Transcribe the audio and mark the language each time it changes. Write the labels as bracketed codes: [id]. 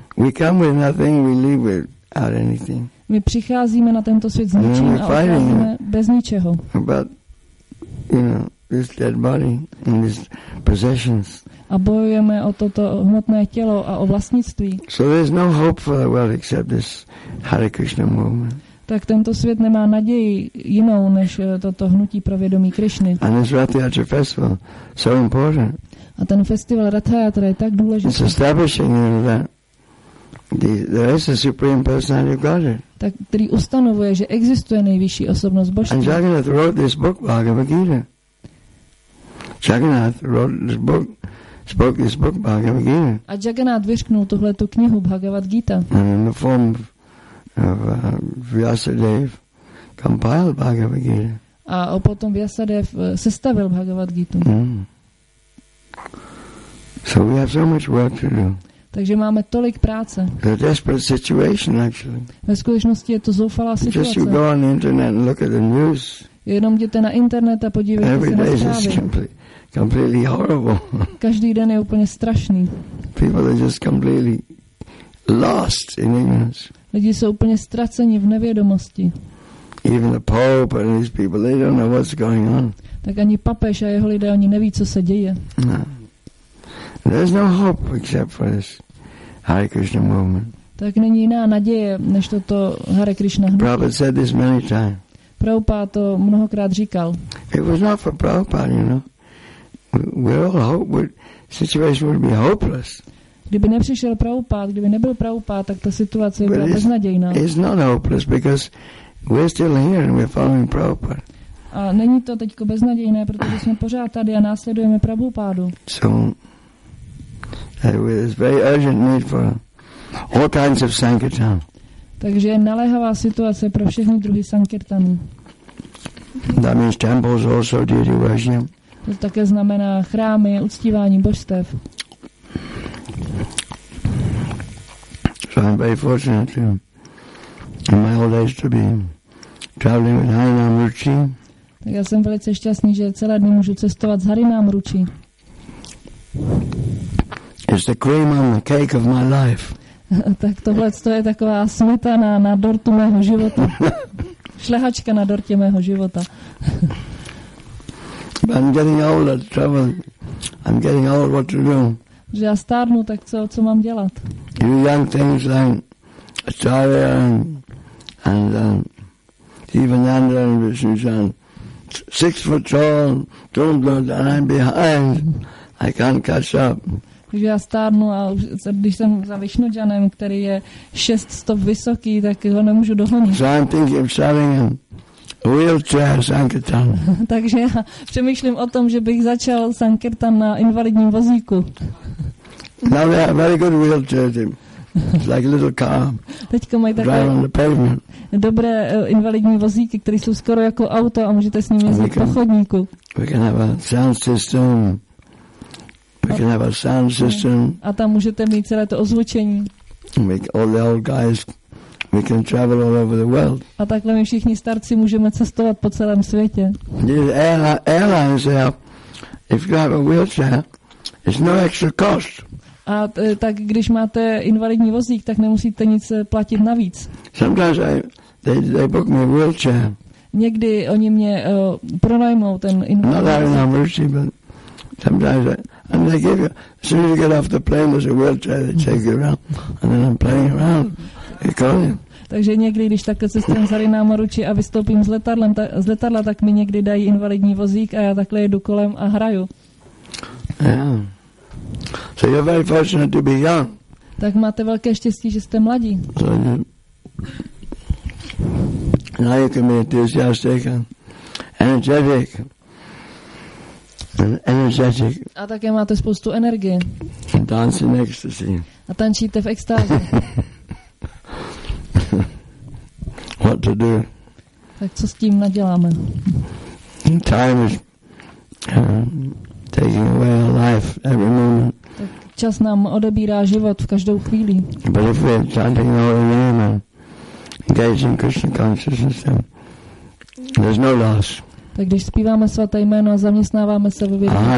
[en] We come with nothing, we leave without anything. [cs] My přicházíme na tento svět s ničím a odcházíme bez ničeho. [en] About, you know, this dead body and these possessions. [cs] A bojujeme o toto hmotné tělo a o vlastnictví. [en] So there's no hope for the world except this Hare Krishna movement. [cs] Tak tento svět nemá naději jinou než toto hnutí pro vědomí Krišny. [en] And this Ratha-yatra festival, so important. [cs] A ten festival Ratha-yatra je tak důležitý. [en] It's establishing, you know, that there is a supreme personality of Godhead. [cs] Tak který ustanovuje, že existuje nejvyšší osobnost Božství. [en] And Jagannath wrote this book, Bhagavad Gita. Jagannath wrote this book, spoke this book, Bhagavad Gita. [cs] A Jagannath vyřknul tuhletu knihu Bhagavad Gita. [en] And in the form of Vyasadev compiled Bhagavad Gita. [cs] A potom Vyasadev sestavil Bhagavad Gita. Mm. [en] So we have so much work to do. [cs] Takže máme tolik práce. [en] It's a desperate situation, actually. [cs] Ve skutečnosti je to zoufalá situace. [en] Just you go on the internet and look at the news. [cs] Jenom jděte na internet a podívejte [en] every [cs] se na zprávy. [en] Every day is completely horrible. [cs] Každý den je úplně strašný. [en] People are just completely lost in ignorance. [cs] Lidi jsou úplně ztraceni v nevědomosti. [en] Even the Pope and these people, they don't know what's going on. [cs] Tak ani papež a jeho lidé, oni neví, co se děje. [en] No. There's no hope except for this Hare Krishna movement. [cs] Tak není jiná naděje, než toto Hare Krishna hnutí. [en] Prabhupada said this many times. [cs] Prabhupada to mnohokrát říkal. [en] It was not for Prabhupada, you know. We all hope the situation would be hopeless. [cs] Kdyby nepřišel Prabhupád, kdyby nebyl Prabhupád, tak ta situace byla beznadějná. [en] It's not hopeless because we're still here and we're following Prabhupád. [cs] A není to teďko beznadějné, protože jsme pořád tady a následujeme Prabhupádu. [en] So there is very urgent need for all kinds of sankirtan. [cs] Takže je naléhavá situace pro všechny druhy sankirtanů. [en] That means temples also deity worship. [cs] To také znamená chrámy, uctívání božstev. [en] So I'm very fortunate to, in my old age, to be traveling with Harinam Ruchi. [cs] Tak já jsem velice šťastný, že celé dny můžu cestovat s Harinam Ruchi. [en] It's the cream on the cake of my life. [cs] Tak tohle to je taková smetana na dortu mého života. Šlehačka na dortě mého života. [en] I'm getting older, travel. I'm getting old, what to do? [cs] Že já stárnu, tak co mám dělat? [en] You young things like Acharya and Jivananda and Vishnu-chan, 6 foot tall, don't know that I'm behind, I can't catch up. [cs] Takže já stárnu a když jsem za Višnuďanem, který je 6 stop vysoký, tak ho nemůžu dohonit. [en] So I'm thinking of starting a wheelchair sankirtan. [cs] Takže já přemýšlím o tom, že bych začal sankirtan na invalidním vozíku. [en] Now they have very good wheelchair, Jim. It's like a little car. [cs] Teďko mají takové dobré invalidní vozíky, které jsou skoro jako auto a můžete s ním jezdit po chodníku. [en] We can have a sound system. We can have a sound system. [cs] A tam můžete mít celé to ozvučení. [en] All the old guys, we can travel all over the world. [cs] A takhle my všichni starci můžeme cestovat po celém světě. [en] Airlines there, if you have a wheelchair, it's no extra cost. [cs] A tak když máte invalidní vozík, tak nemusíte nic platit navíc. [en] Sometimes they book me a wheelchair. [cs] Někdy oni mě pronajmou ten invalidní vozík. [en] Sometimes and they give you, as soon as you get off the plane, there's a wheelchair, they take you around, and then I'm playing around, they call you. [cs] Takže někdy, když takhle cestujem z Rynámoruči a vystoupím z letadla, tak mi někdy dají invalidní vozík a já takhle jedu kolem a hraju. [en] Yeah. So you're very fortunate to be young. [cs] Tak máte velké štěstí, že jste mladí. [en] So now you can be enthusiastic and energetic. Energetic. [cs] A také máte spoustu energie. [en] Dance in ecstasy. [cs] A tančíte v extáze. [en] What to do? [cs] Tak co s tím naděláme? [en] Time is taking away our life every moment. [cs] Tak čas nám odebírá život v každou chvíli. [en] But if we're chanting the holy name and engaging Krishna consciousness, then there's no loss. [cs] Tak když zpíváme svaté jméno a zaměstnáváme se ve vědomí,